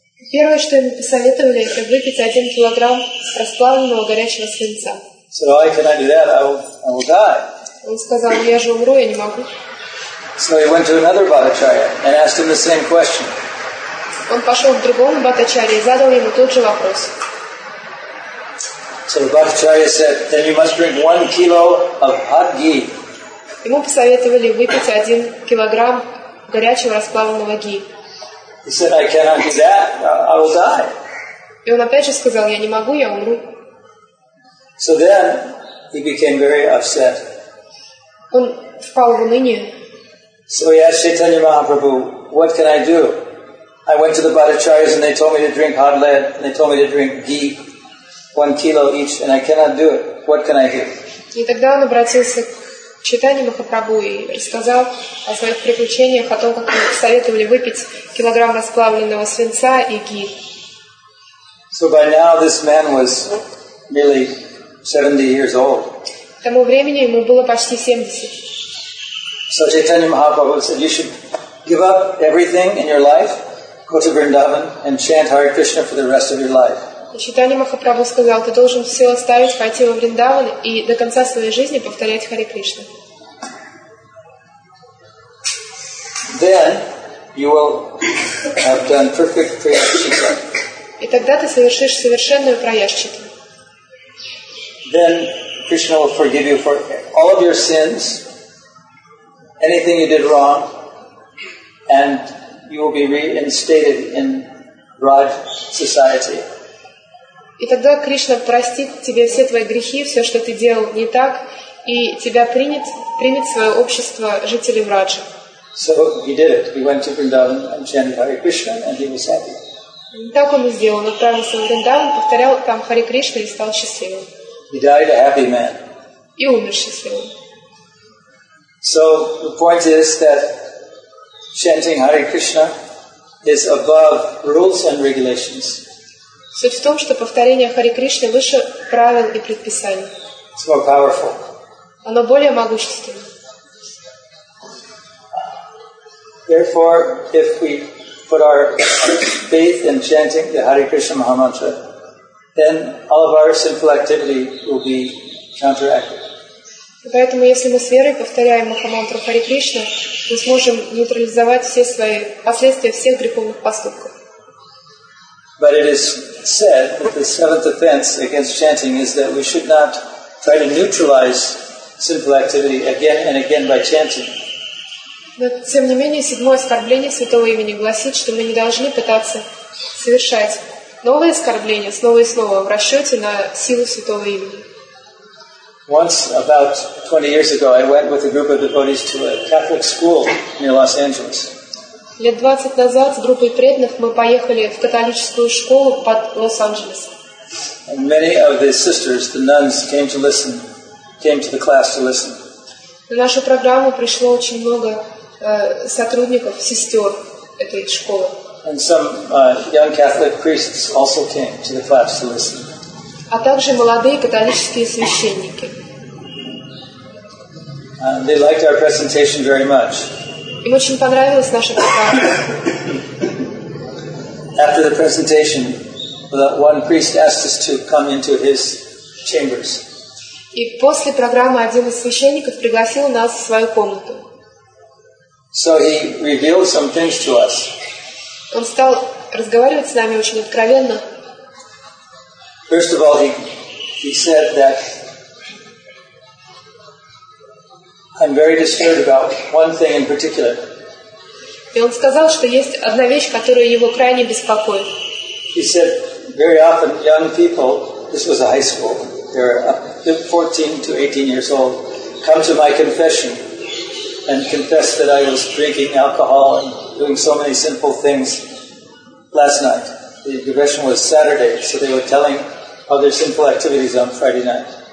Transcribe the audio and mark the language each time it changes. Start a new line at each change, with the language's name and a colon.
Russian: Первое, что ему посоветовали, это выпить 1 килограмм расплавленного горячего свинца.
English: So I cannot do that, I will die.
Russian: Он сказал, я же умру, я не могу.
English: So he went to another Bhattacharya and asked him the same question.
Russian: Он пошел к другому Бхаттачарье и задал ему тот же вопрос.
English: So the Bhattacharya said, then you must drink 1 kilo of hot ghee.
Russian: Ему посоветовали выпить 1 килограмм горячего расплавленного ги.
English: He said, I cannot do that, I will die.
Russian: И он опять же сказал, я не могу, я умру.
English: So then he became very upset.
Russian: Он впал в уныние.
English: So he asked Chaitanya Mahaprabhu, what can I do? I went to the Bhattacharyas and they told me to drink hot lead and they told me to drink ghee, 1 kilo each, and I cannot do it. What can I do?
Russian: И тогда он обратился к Чайтанье Махапрабху и рассказал о своих приключениях, о том, как ему посоветовали выпить килограмм расплавленного свинца и ghee.
English: So by now this man was nearly 70 years old.
Russian: К тому времени ему было почти 70.
English: So Chaitanya Mahaprabhu said, you should give up everything in your life, go to Vrindavan and chant Hare Krishna for the rest of your life.
Russian: Chaitanya Mahaprabhu сказал, ты должен все оставить, пойти во Вриндаван и до конца своей жизни повторять Харе Кришна.
English: Then you will have done perfect prayaschita.
Russian: И тогда ты совершишь совершенную прайяшчиту.
English: Then Krishna will forgive you for all of your sins, anything you did wrong, and you will be reinstated in Raj society.
Russian: И тогда Кришна простит тебе все твои грехи, все, что ты делал не так, и тебя примет свое общество жителей Раджа.
English: So he did it. He went to Vrindavan and chanted Hare Krishna, and he was happy.
Russian: Так он и сделал. Он отправился в Вриндаван, повторял там Харе Кришна и стал счастливым.
English: He died a happy man.
Russian: И умер счастливым.
English: So the point is that chanting Hare Krishna is above rules and regulations.
Russian: Суть в том, что повторение Харе Кришны выше правил и предписаний.
English: It's more powerful.
Russian: Оно более могущественное.
English: Therefore, if we put our faith in chanting the Hare Krishna Mahamantra, then all of our sinful activity will be counteracted.
Russian: Поэтому, если мы с верой повторяем Махамантру Харе Кришна, мы сможем нейтрализовать все свои последствия всех греховных поступков.
English: But it is said that the seventh offense against chanting is that we should not try to neutralize sinful activity again and again by chanting.
Russian: Но тем не менее, седьмое оскорбление святого имени гласит, что мы не должны пытаться совершать новые оскорбления снова и снова в расчете на силу святого имени.
English: Once, about 20 years ago, I went with a group of devotees to a Catholic school near Los Angeles.
Russian: Лет 20 назад с группой преданных мы поехали в католическую школу под Лос-Анджелесом.
English: And many of the sisters, the nuns, came to the class to listen.
Russian: На нашу программу пришло очень много сотрудников, сестер этой школы.
English: And some young Catholic priests also came to the class to listen.
Russian: А также молодые католические священники.
English: They liked our presentation very much.
Russian: Им очень понравилась наша программа.
English: After the presentation, one priest asked us to come into his chambers.
Russian: И после программы один из священников пригласил нас в свою комнату.
English: So he revealed some things to us.
Russian: Он стал разговаривать с нами очень откровенно.
English: First of all, he said that I'm very disturbed about one thing in particular.
Russian: И он сказал, что есть одна вещь, которая его крайне беспокоит.
English: He said very often young people, this was a high school, they're 14 to 18 years old, come to my confession and confess that I was drinking alcohol and doing so many simple things last night. The confession was Saturday, so they were telling other simple activities on Friday night.